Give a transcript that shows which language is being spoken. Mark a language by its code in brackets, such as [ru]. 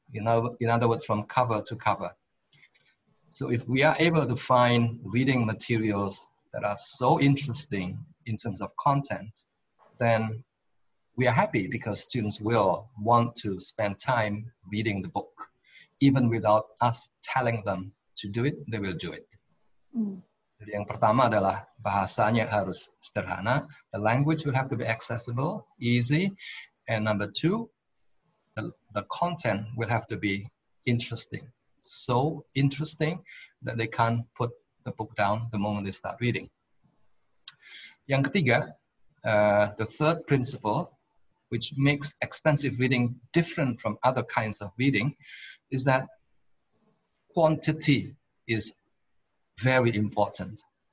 [en] In other words, from cover to cover. So if we are able to find reading materials that are so interesting in terms of content, then we are happy because students will want to spend time reading the book. Even without us telling them to do it, they will do it. [id] Jadi yang pertama adalah bahasanya harus sederhana. [en] The language will have to be accessible, easy. And number two, the content will have to be interesting. So interesting that they can't put the book down the moment they start reading. [id] Yang ketiga, [en] the third principle, which makes extensive reading different from other kinds of reading, is that quantity is very important.